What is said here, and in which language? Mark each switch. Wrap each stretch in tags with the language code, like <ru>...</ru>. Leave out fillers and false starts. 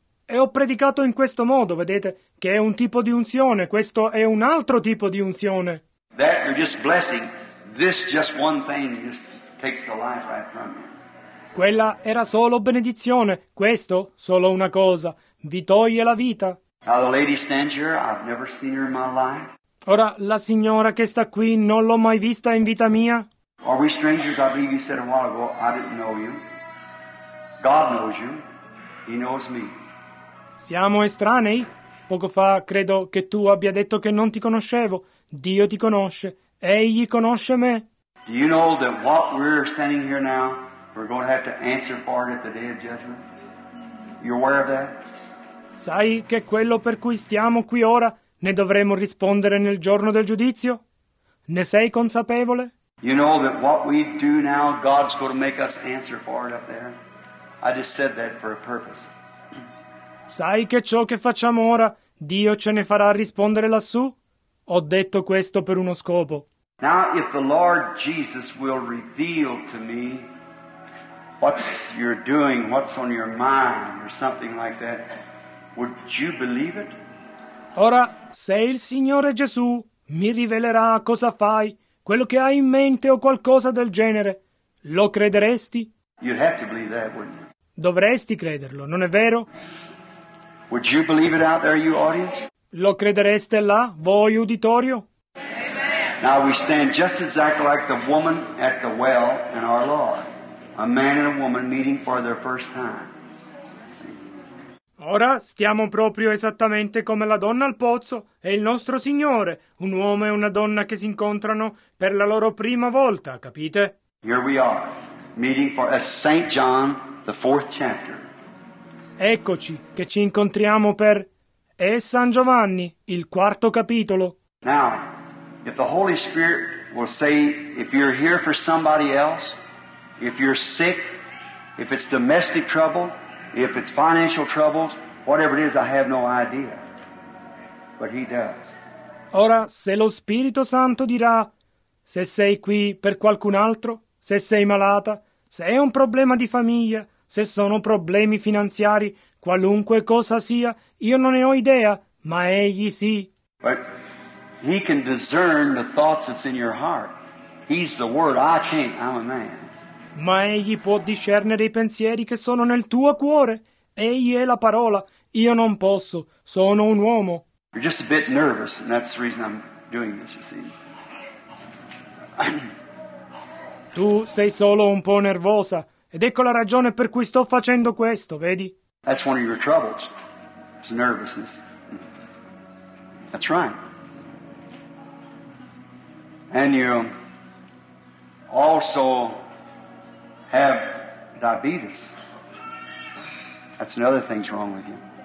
<it>E ho predicato in questo modo, vedete, che è un tipo di unzione. Questo è un altro tipo di unzione.</it> <en>That you're just blessing. This just one thing just takes the life right from you.</en> <it>Quella era solo benedizione. Questo, solo una cosa, vi toglie la vita.</it> <en>Now the lady stands here, I've never seen her in my life.</en> <it>Ora, la signora che sta qui, non l'ho mai vista in vita mia.</it> <en>Are we strangers? I believe you said a while ago, I didn't know you. God knows you. He knows me.</en> <it>Siamo estranei? Poco fa, credo che tu abbia detto che non ti conoscevo. Dio ti conosce. Egli conosce me.</it> <en>Do you know that what we're standing here now, we're going to have to answer for it at the day of judgment? You're aware of that?</en> <it>Sai che quello per cui stiamo qui ora ne dovremo rispondere nel giorno del giudizio? Ne sei consapevole?</it> <en>You know that what we do now, God's going to make us answer for it up there. I just said that for a purpose.</en> <it>Sai che ciò che facciamo ora, Dio ce ne farà rispondere lassù? Ho detto questo per uno scopo.</it> <en>Now if the Lord Jesus will reveal to me what you're doing, what's on your mind or something like that, would you believe it?</en> <it>Ora, se il Signore Gesù mi rivelerà cosa fai, quello che hai in mente o qualcosa del genere, lo crederesti?</it> <en>You'd have to believe that, wouldn't you?</en> <it>Dovresti crederlo, non è vero?</it> <en>Would you believe it out there, you audience?</en> <it>Lo credereste là, voi uditorio?</it> <en>Now we stand just exactly like the woman at the well in our Lord. A man and a woman meeting for their first time.</en> <it>Ora stiamo proprio esattamente come la donna al pozzo e il nostro Signore, un uomo e una donna che si incontrano per la loro prima volta, capite?</it> <en>Here we are, meeting for St. John, the fourth chapter.</en> <it>Eccoci, che ci incontriamo per San Giovanni, il quarto capitolo.</it> <en>Now, if the Holy Spirit will say, if you're here for somebody else, if you're sick, if it's domestic trouble, if it's financial troubles, whatever it is, I have no idea. But he does.</en> <it>Ora, se lo Spirito Santo dirà, se sei qui per qualcun altro, se sei malata, se è un problema di famiglia, se sono problemi finanziari, qualunque cosa sia, io non ne ho idea, ma egli sì.</it> <en>But he can discern the thoughts that's in your heart. He's the Word. I can't. I'm a man.</en> <it>Ma egli può discernere i pensieri che sono nel tuo cuore. Egli è la parola. Io non posso. Sono un uomo.</it> <en>You're just a bit nervous, and that's the reason I'm doing this, you see.</en> <it>Tu sei solo un po' nervosa. Ed ecco la ragione per cui sto facendo questo, vedi?</it> <en>That's one of your troubles. It's nervousness. That's right. And you also have diabetes. That's another thing's wrong with you.</en>